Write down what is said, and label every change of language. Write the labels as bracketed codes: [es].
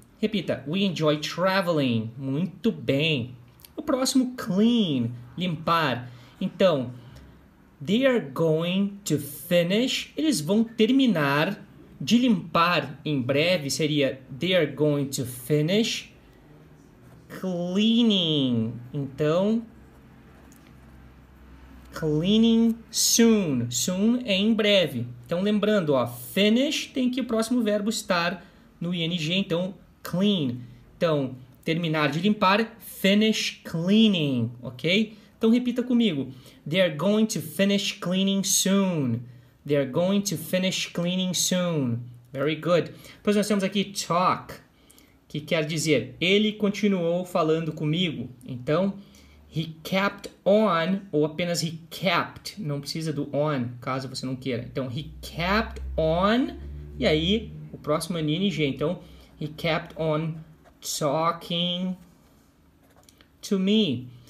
[pt] Repita, [en] we enjoy traveling. [pt] Muito bem. O próximo, [en] clean, [pt] limpar. Então, [en] they are going to finish. [pt] Eles vão terminar de limpar em breve. Seria, [en] they are going to finish cleaning. [pt] Então, [en] cleaning soon. [pt] Soon é em breve. Então, lembrando, ó, finish tem que o próximo verbo estar no ing. Então, clean. Então, terminar de limpar, [en] finish cleaning, [pt] ok? Então, repita comigo. [en] They are going to finish cleaning soon. They are going to finish cleaning soon. Very good. [pt] Depois nós temos aqui talk, que quer dizer, ele continuou falando comigo. Então, [en] he kept on, [pt] ou apenas [en] he kept, [pt] não precisa do on, caso você não queira. Então, [en] he kept on, [pt] e aí, o próximo é ing. Então, [en] he kept on talking to me.